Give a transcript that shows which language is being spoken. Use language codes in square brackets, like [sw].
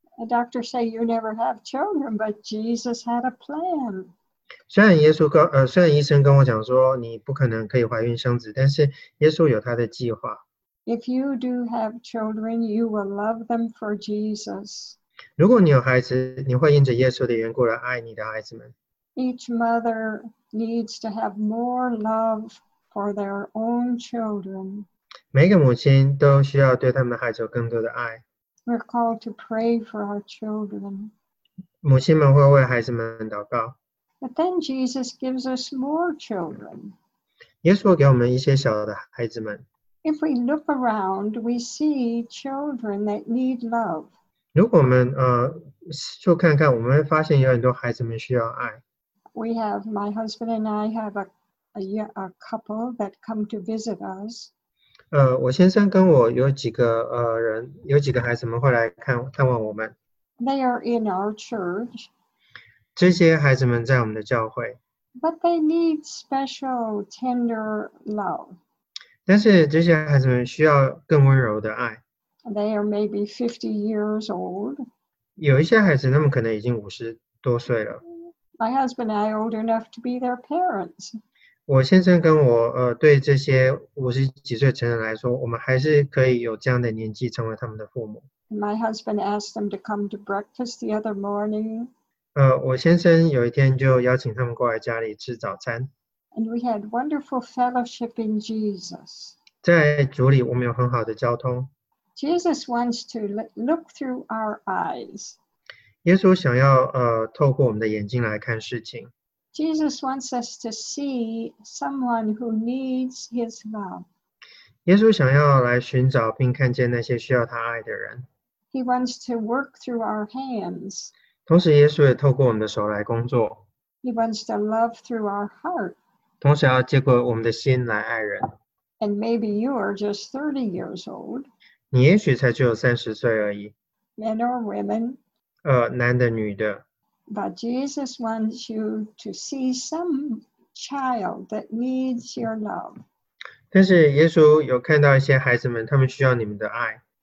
[en] The doctor said you never have children, but Jesus had a plan. [zh] 虽然医生跟我讲说你不可能可以怀孕生子，但是耶稣有他的计划。 [en] If you do have children, you will love them for Jesus. [zh] 如果你有孩子，你会因着耶稣的缘故来爱你的孩子们。 [en] Each mother needs to have more love for their own children. [zh] 每个母亲都需要对他们的孩子有更多的爱。 [en] We're called to pray for our children. [zh] 母亲们会为孩子们祷告。 [en] But then Jesus gives us more children. [zh] 耶稣给我们一些小的孩子们。 [en] If we look around, we see children that need love. [zh] 如果我们四处看看，我们会发现有很多孩子们需要爱。 [en] We have, my husband and I have a couple that come to visit us. [zh] 我先生跟我有几个人，有几个孩子们会来探望我们。 [en] They are in our church. [zh] 这些孩子们在我们的教会。 [en] But they need special, tender love. [zh] 但是这些孩子们需要更温柔的爱。 [en] They are maybe 50 years old. [zh] 有一些孩子，他们可能已经50多岁了。 [en] My husband and I are old enough to be their parents. [zh] 我先生跟我对这些50几岁成人来说，我们还是可以有这样的年纪成为他们的父母。 [en] My husband asked them to come to breakfast the other morning. [zh] 我先生有一天就邀请他们过来家里吃早餐。 [en] And we had wonderful fellowship in Jesus. [zh] 在主里我们有很好的交通。 [en] Jesus wants to look through our eyes. [zh] 耶稣想要透过我们的眼睛来看事情。 [en] Jesus wants us to see someone who needs his love. [zh] 耶稣想要来寻找并看见那些需要他爱的人。 [en] He wants to work through our hands. [zh] 同时耶稣也透过我们的手来工作。 [en] He wants to love through our heart. [zh] 同时要借过我们的心来爱人。 [en] And maybe you are just 30 years old. [zh] 你也许才只有30岁而已。 [en] Men or women. [zh] 男的女的。 [en] But Jesus wants you to see some child that needs your love. [zh] 但是耶稣有看到一些孩子们，他们需要你们的爱。